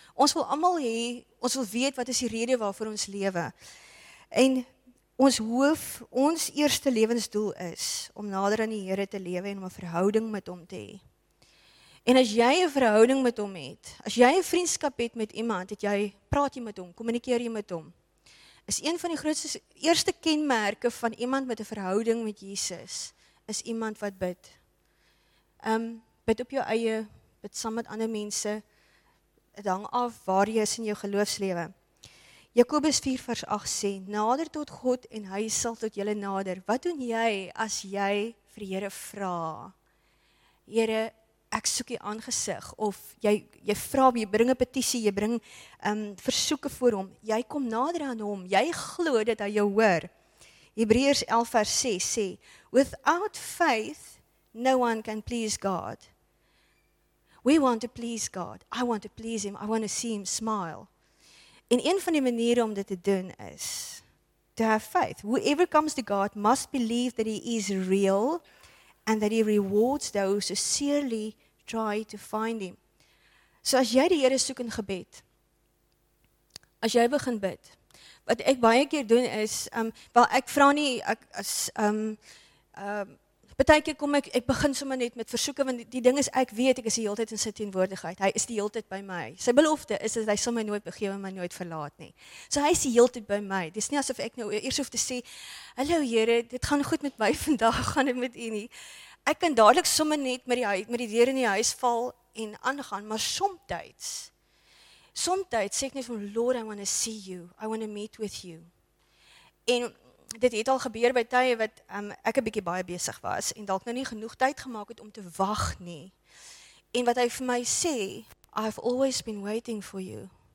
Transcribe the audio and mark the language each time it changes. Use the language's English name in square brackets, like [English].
[Afrikaans] Ons wil almal hê, ons wil weet wat is die rede waarvoor ons lewe. En ons eerste lewensdoel is om nader aan die Here te lewe en om 'n verhouding met hom te hê. En as jy 'n verhouding met hom het, as jy 'n vriendskap het met iemand, het jy praat jy met hom, kommunikeer jy met hom. Is een van die grootste eerste kenmerke van iemand met 'n verhouding met Jesus is iemand wat bid. Bid op jou eie, bid saam met ander mense. Dit hang af waar jy is in jou geloofslewe. Jakobus 4 vers 8 sê, nader tot God en hy sal tot julle nader. Wat doen jy as jy vir die Here vra? Here, ek soek u aangesig. Of jy vra, jy bring 'n petisie, jy bring versoeke voor hom. Jy kom nader aan hom. Jy glo dat hy jou hoor. Hebreërs 11 vers 6 sê, [English] without faith, no one can please God. We want to please God. I want to please him. I want to see him smile. [Afrikaans] En een van die maniere om dit te doen is, [English] to have faith. Whoever comes to God must believe that he is real and that he rewards those who sincerely try to find him. [Afrikaans] So as jy die Here soek in gebed, as jy begin bid, wat ek baie keer doen is, ek begin sommer net met versoeke, want die ding is, ek weet, ek is die hele tyd in sy teenwoordigheid. Hy is die hele tyd by my. Sy belofte is, dat hy sal my nooit begewe en my nooit verlaat nie. So hy is die hele tyd by my. Dit is nie asof ek nou eers hoef te sê, hallo Here, dit gaan goed met my vandag, gaan dit met u nie. Ek kan dadelijk sommer net met die deur in die huis val en aangaan, maar somtyds sê ek net van, [English] Lord, I want to see you. I want to meet with you. [Afrikaans] En dit het al gebeur by tye wat ek 'n bietjie baie besig was en dalk nou nie genoeg tyd gemaak het om te wag nie. En wat hy vir my sê, [English] I've always been waiting for you.